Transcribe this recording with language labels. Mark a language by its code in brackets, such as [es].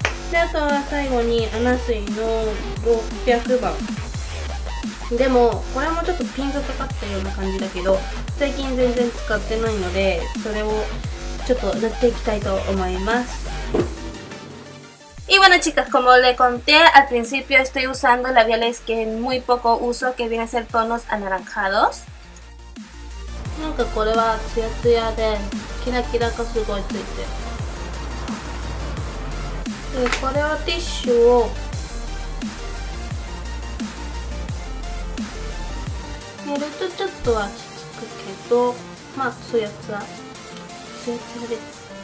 [ja] で、あとは最後にアナスイの600番。でも、これもちょっとピンがかかったような感じだけど、最近全然使ってないので、それをちょっと塗っていきたいと思います。 [es] Y bueno chicas, como le conté, al principio estoy usando labiales que muy poco uso, que viene a ser tonos anaranjados. [ja] なんかこれはツヤツヤで、キラキラがすごいついてる。で、これはティッシュを、寝るとちょっとは落ち着くけど、まあ、そういうやつは、そういうやつです。